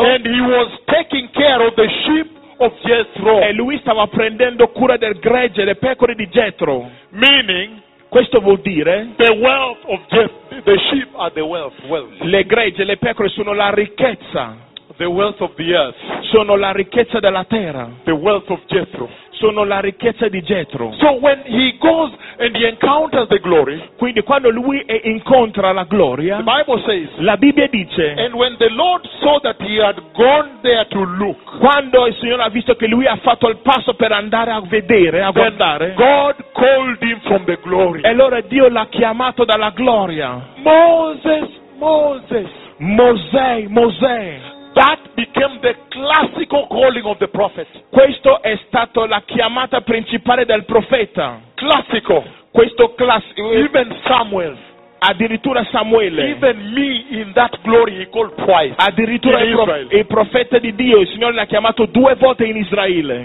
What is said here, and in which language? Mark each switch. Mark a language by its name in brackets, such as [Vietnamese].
[English] And he was taking care of the sheep of Jethro. [Italian] E lui stava prendendo cura del gregge, le pecore di Jethro. [English] Meaning, [Italian] questo vuol dire [English] the wealth of Jethro, the sheep are the wealth. [Italian] Le gregge, le pecore sono la ricchezza. [English] The wealth of the earth. [Italian] Sono la ricchezza della terra. [English] The wealth of Jethro. [Italian] Sono la ricchezza di Jethro. [English] So when he goes and he encounters the glory, [Italian] quindi quando lui incontra la gloria, [English] the Bible says, [Italian] la Bibbia dice, [English] and when the Lord saw that he had gone there to look, [Italian] quando il Signore ha visto che lui ha fatto il passo per andare a vedere, a guardare, [English] God called him from the glory. [Italian] E allora Dio l'ha chiamato dalla gloria. [English] Moses, Moses, [Italian] Mosè, Mosè. [English] That became the classical calling of the prophet. [Italian] Questo è stato la chiamata principale del profeta. Classico. Questo classico. [English] Even Samuel. [Italian] Addirittura Samuele. [English] Even me in that glory he called twice. [Italian] Addirittura [English] in Israel. [Italian] Il profeta di Dio, il Signore l'ha chiamato due volte in Israele.